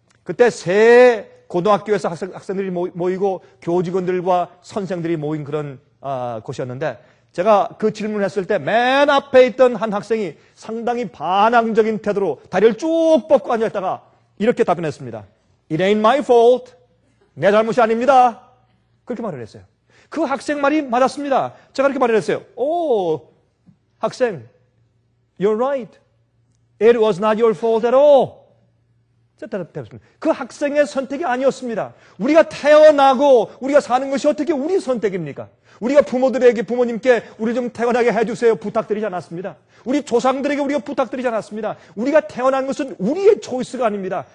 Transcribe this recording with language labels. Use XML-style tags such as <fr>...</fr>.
<ko>그때 새 고등학교에서 학생들이 모이고 교직원들과 선생들이 모인 그런 곳이었는데 제가 그 질문을 했을 때 맨 앞에 있던 한 학생이 상당히 반항적인 태도로 다리를 쭉 뻗고 앉아있다가 이렇게 답변했습니다.</ko> <en>It ain't my fault.</en> <ko>내 잘못이 아닙니다. 그렇게 말을 했어요. 그 학생 말이 맞았습니다. 제가 그렇게 말을 했어요. 오, 학생,</ko> <en>you're right. It was not your fault at all.</en> <ko>그 학생의 선택이 아니었습니다. 우리가 태어나고 우리가 사는 것이 어떻게 우리 선택입니까? 우리가 부모들에게, 부모님께 우리 좀 태어나게 해주세요 부탁드리지 않았습니다. 우리 조상들에게 우리가 부탁드리지 않았습니다. 우리가 태어난 것은 우리의 choice가 아닙니다.</ko>